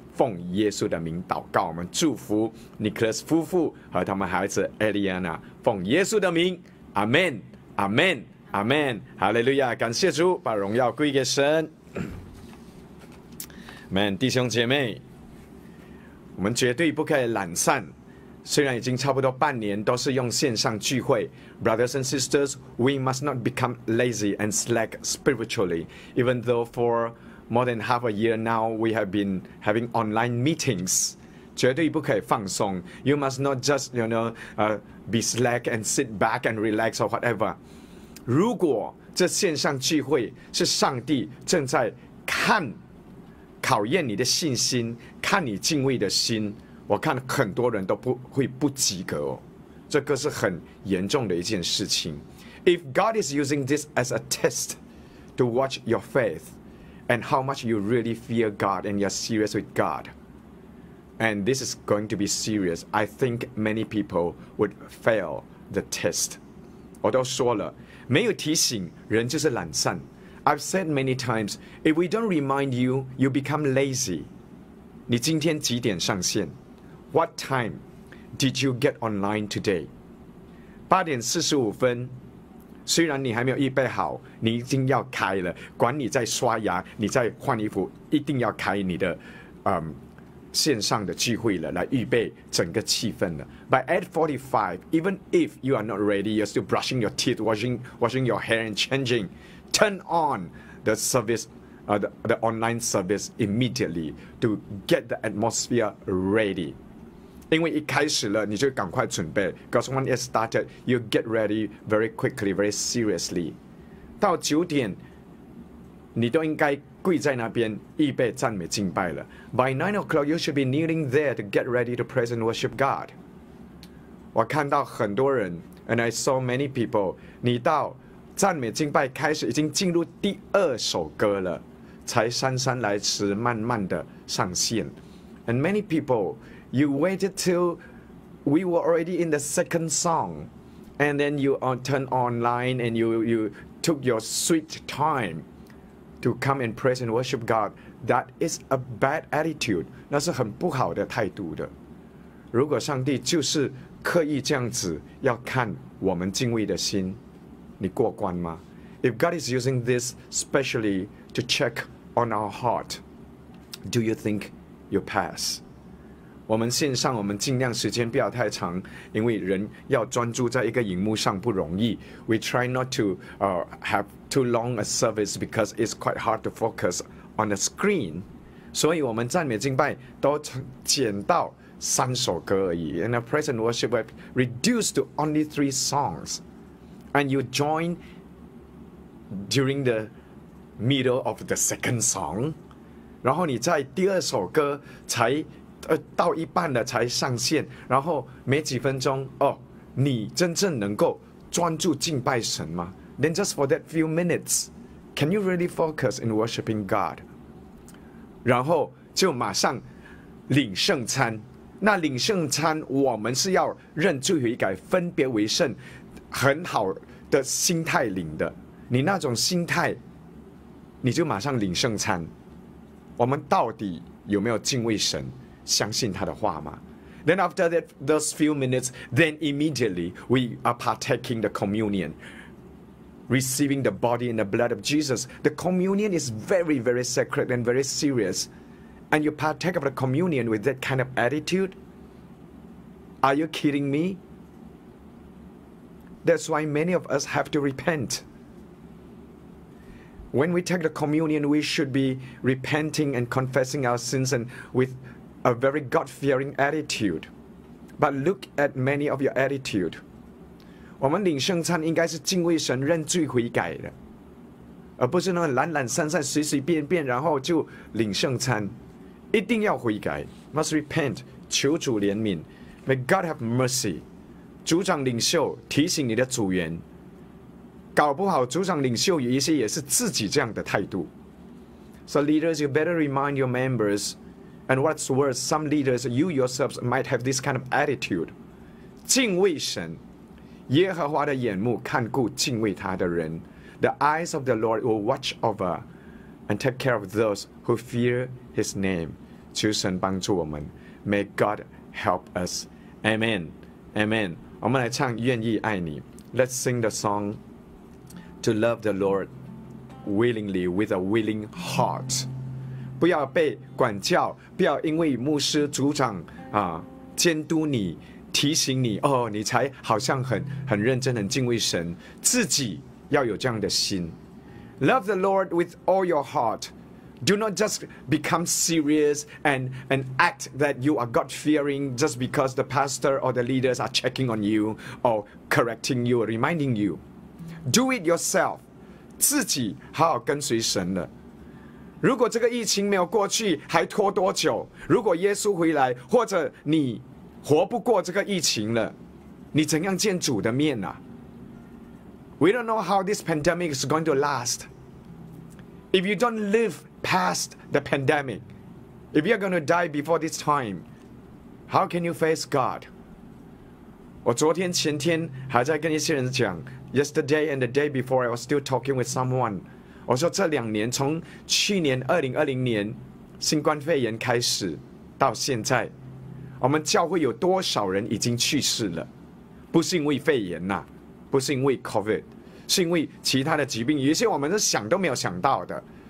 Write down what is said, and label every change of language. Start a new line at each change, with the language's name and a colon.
Chinese: 奉耶稣的名祷告，我们祝福 Nicholas 夫妇和他们孩子 Eliana， 奉耶稣的名。 Amen, Amen, Amen, Hallelujah, 感谢主，把荣耀归给神。 Amen, 弟兄姐妹，我们绝对不可以懒散，虽然已经差不多半年都是用线上聚会。
English: Brothers and sisters, we must not become lazy and slack spiritually, even though for more than half a year now we have been having online meetings.
Chinese: 绝对不可以放松。
English: You must not just, you know, be slack and sit back and relax or whatever.
Chinese: 如果这线上聚会是上帝正在看、考验你的信心、看你敬畏的心，我看很多人都不会不及格哦。这个是很严重的一件事情。
English: If God is using this as a test to watch your faith and how much you really fear God and you're serious with God, and this is going to be serious, I think many people would fail the test.
Chinese: 我都说了，没有提醒，人就是懒散。
English: I've said many times, if we don't remind you, you become lazy.
Chinese: 你今天几点上线？
English: What time did you get online today?
Chinese: 8:45，虽然你还没有预备好，你已经要开了，管你在刷牙，你在换衣服，一定要开你的线上的聚会了，来预备整个气氛了。
English: By 8:45, even if you are not ready, you're still brushing your teeth, washing your hair and changing, turn on the service, the online service immediately to get the atmosphere ready.
Chinese: 因为一开始了，你就赶快准备。
English: Because when it started, you get ready very quickly, very seriously.
Chinese: 到九点，你都应该跪在那边预备赞美敬拜了。
English: By 9:00, you should be kneeling there to get ready to praise and worship God.
Chinese: 我看到很多人
English: ，and I saw many people.
Chinese: 你到赞美敬拜开始，已经进入第二首歌了，才姗姗来迟，慢慢的上线。
English: And many people, you waited till we were already in the second song, and then you turn online and you took your sweet time. To come and praise and worship God, that is a bad attitude.
Chinese: 那是很不好的态度的。如果上帝就是刻意这样子要看我们敬畏的心，你过关吗？
English: If God is using this specially to check on our heart, do you think you pass?
Chinese: 我们线上我们尽量时间不要太长，因为人要专注在一个荧幕上不容易。
English: We try not to have. Too long a service because it's quite hard to focus on the screen.
Chinese: 所以我们赞美敬拜都减到三首歌而已。
English: And the present worship we've reduced to only 3 songs. And you join during the middle of the second song.
Chinese: 然后你在第二首歌才到一半的才上线，然后没几分钟哦，你真正能够专注敬拜神吗？
English: Then just for that few minutes, can you really focus in worshiping God?
Chinese: 然后就马上领圣餐。那领圣餐，我们是要认罪悔改、分别为圣，很好的心态领的。你那种心态，你就马上领圣餐。我们到底有没有敬畏神、相信他的话吗？
English: Then after that, those few minutes, then immediately we are partaking the communion. Receiving the body and the blood of Jesus. The communion is very, very sacred and very serious. And you partake of the communion with that kind of attitude? Are you kidding me? That's why many of us have to repent. When we take the communion, we should be repenting and confessing our sins and with a very God-fearing attitude. But look at many of your attitude.
Chinese: 我们领圣餐应该是敬畏神、认罪悔改的，而不是那种懒懒散散、随随便便，然后就领圣餐。一定要悔改 ，
English: must repent，
Chinese: 求主怜悯 ，
English: may God have mercy。
Chinese: 组长领袖提醒你的组员，搞不好组长领袖有一些也是自己这样的态度。
English: So leaders, you better remind your members, and what's worse, some leaders, you yourselves might have this kind of attitude.
Chinese: 敬畏神。耶和华的眼目看顾敬畏他的人。
English: The eyes of the Lord will watch over and take care of those who fear his name.
Chinese: 求神帮助我们。
English: May God help us. Amen. Amen.
Chinese: 我们来唱愿意爱你。
English: Let's sing the song to love the Lord willingly with a willing heart.
Chinese: 不要被管教，不要因为牧师组长监督你提醒你哦，你才好像很认真、很敬畏神，自己要有这样的心。
English: Love the Lord with all your heart. Do not just become serious and act that you are God fearing just because the pastor or the leaders are checking on you or correcting you or reminding you. Do it yourself.
Chinese: 自己好好跟随神了。如果这个疫情没有过去，还拖多久？如果耶稣回来，或者你。活不过这个疫情了，你怎样见主的面啊？
English: We don't know how this pandemic is going to last. If you don't live past the pandemic, if you are going to die before this time, how can you face God?
Chinese: 我昨天前天还在跟一些人讲，
English: Yesterday and the day before I was still talking with someone.
Chinese: 我说这两年，从去年2020年新冠肺炎开始到现在，我们教会有多少人已经去世了，不是因为肺炎啊，不是因为 COVID， 是因为其他的疾病，有些我们是想都没有想到的。